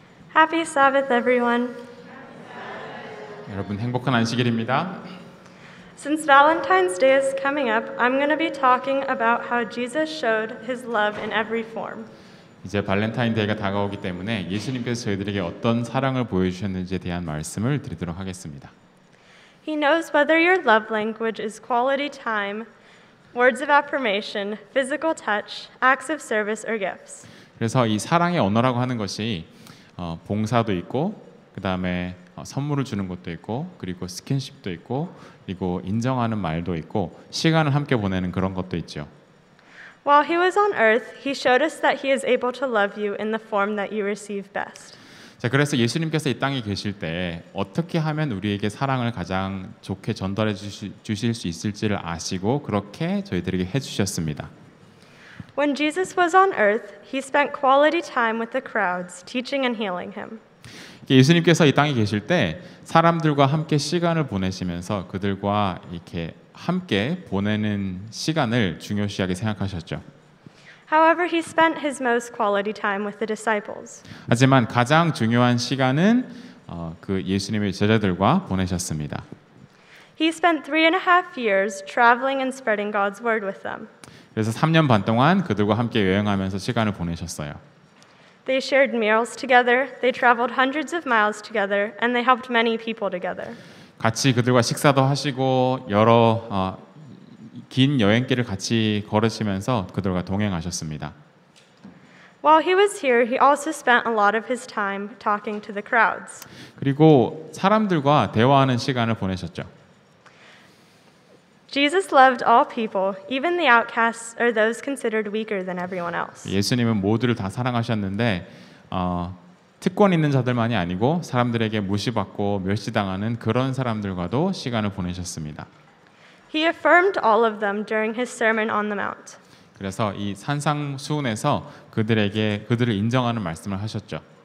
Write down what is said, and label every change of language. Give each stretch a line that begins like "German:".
English: Happy Sabbath, everyone. Happy Sabbath. Since Valentine's Day is coming up, I'm going to be talking about how Jesus showed his love in every form.
Korean: 이제 발렌타인데이가 다가오기 때문에 예수님께서 저희들에게 어떤 사랑을 보여주셨는지에 대한 말씀을 드리도록 하겠습니다.
English: He knows whether your love language is quality time, words of affirmation, physical touch, acts of service, or gifts.
Korean: 그래서 이 사랑의 언어라고 하는 것이 봉사도 있고, 그 다음에 선물을 주는 것도 있고, 그리고 스킨십도 있고, 그리고 인정하는 말도 있고, 시간을 함께 보내는 그런 것도 있죠.
English: While he was on earth, he showed us that he is able to love you in the form that you receive best.
Korean: 자, 그래서 예수님께서 이 땅에 계실 때 어떻게 하면 우리에게 사랑을 가장 좋게 전달해 주실 수 있을지를 아시고 그렇게 저희들에게 해주셨습니다.
English: When Jesus was on earth, he spent quality time with the crowds, teaching and healing him.
Korean: 예수님께서 이 땅에 계실 때 사람들과 함께 시간을 보내시면서 그들과 이렇게 함께 보내는 시간을 중요시하게 생각하셨죠.
English: However, he spent his most quality time with the disciples.
Korean: 하지만 가장 중요한 시간은 그 예수님의 제자들과 보내셨습니다.
English: He spent 3.5 years traveling and spreading God's word with them.
Korean: 그래서 3년 반 동안 그들과 함께 여행하면서 시간을 보내셨어요.
English: They shared meals together, they traveled hundreds of miles together, and they helped many people together.
Korean: 같이 그들과 식사도 하시고 여러 긴 여행길을 같이 걸으시면서 그들과 동행하셨습니다.
English: While he was here, he also spent a lot of his time talking to the crowds.
Korean: 그리고 사람들과 대화하는 시간을 보내셨죠.
English: Jesus loved all people, even the outcasts or those considered weaker than everyone else.
Korean: 예수님은 모두를 다 사랑하셨는데 특권 있는 자들만이 아니고 사람들에게 무시받고 멸시당하는 그런 사람들과도 시간을 보내셨습니다.
English: He affirmed all of them during his Sermon on the Mount.
Korean: 그래서 이 산상수훈에서 그들에게 그들을 인정하는 말씀을 하셨죠.